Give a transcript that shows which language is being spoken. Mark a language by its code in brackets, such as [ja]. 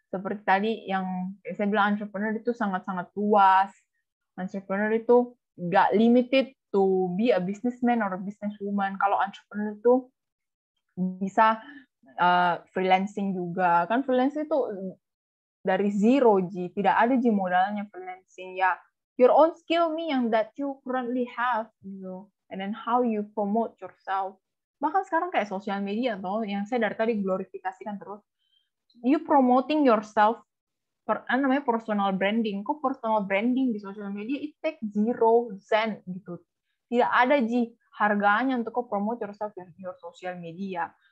[id] Seperti tadi yang saya bilang, entrepreneur itu sangat-sangat luas. Entrepreneur itu nggak [en] limited to be a businessman or a businesswoman. [id] Kalau entrepreneur itu bisa freelancing juga. Kan freelancing itu dari zero, tidak ada modalnya freelancing. [en] Ya, your own skill nih yang that you currently have, you know, and then how you promote yourself. [id] Bahkan sekarang kayak social media tuh yang saya dari tadi glorifikasikan terus. [en] You promoting yourself, namanya personal branding. Kok personal branding di social media it take 0 cent gitu. [id] Tidak ada harganya untuk kok [en] promote yourself [id] di [en] your social media.